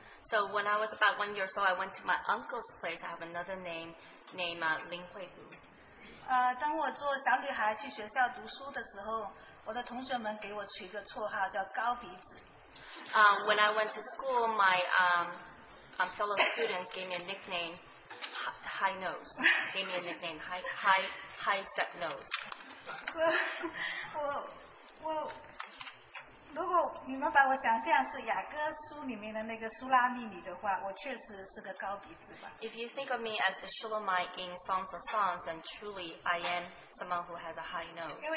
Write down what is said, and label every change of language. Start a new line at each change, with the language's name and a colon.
English: So when I was about 1 year old, I went to my uncle's place. I have another name, Lin Huilu.
Chinese: 当我做小女孩去学校读书的时候，我的同学们给我取一个绰号叫高鼻子。
English: When I went to school, my fellow students gave me a nickname, High Nose. Gave me a nickname, High Set Nose.
Chinese: 我。如果你们把我想象是雅歌书里面的那个苏拉蜜里的话，我确实是个高鼻子吧。
English: If you think of me as the Shulamite in Songs of Songs, then truly I am someone who has a high nose.